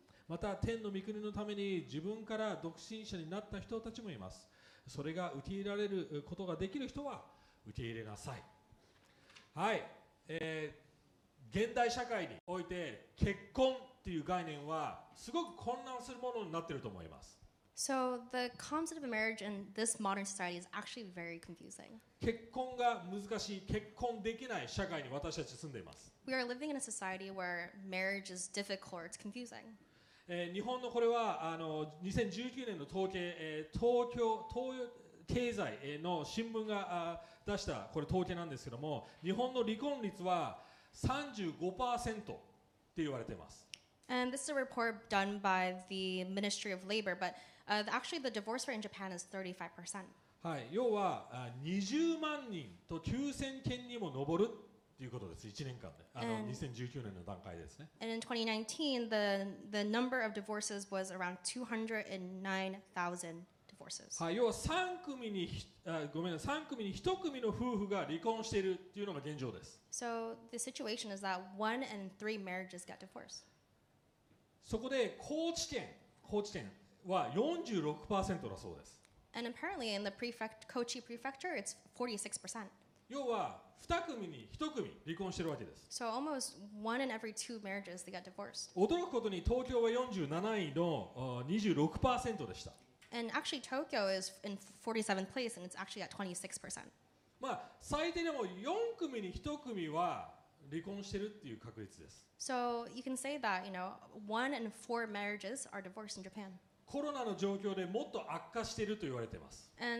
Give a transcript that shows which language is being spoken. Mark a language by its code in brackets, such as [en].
[ja] また天の御国のために自分から独身者になった人たちもいます。それが受け入れられることができる人は受け入れなさい。はい、現代社会において結婚という概念はすごく混乱するものになっていると思います。 [en] So the concept of marriage in this modern society is actually very confusing. [ja] 結婚が難しい、結婚できない社会に私たち住んでいます。 [en] We are living in a society where marriage is difficult. It's confusing. [ja] 日本のこれは2019年の統計、東京経済の新聞が出したこれ統計なんですけども、日本の離婚率は 35% って言われています。 [en] And this is a report done by the Ministry of Labor, but actually the divorce rate in Japan is 35%. [ja] はい、要は20万人と9000件にも上るということです。 1年間で、2019年の段階ですね。 [en] And in 2019, the number of divorces was around 209,000 divorces. divorces. [ja] はい、要は3組に、ごめんなさい、3組に1組の夫婦が離婚しているというのが現状です。 [en] So the situation is that one in three marriages get divorced. [ja] そこで高知県は 46% だそうです。 [en] And apparently in the prefect, Kochi prefecture, it's 46%. [ja] 要は2組に1組離婚しているわけです。 [en] So almost one in every two marriages they got divorced. [ja] 驚くことに東京は47位の 26% でした。 [en] And actually Tokyo is in 47th place and it's actually at 26%. [ja] まあ最低でも4組に1組は離婚しているっていう確率です。 [en] So you can say that, you know, one in four marriages are divorced in Japan. [ja] コロナの状況でもっと悪化していると言われています。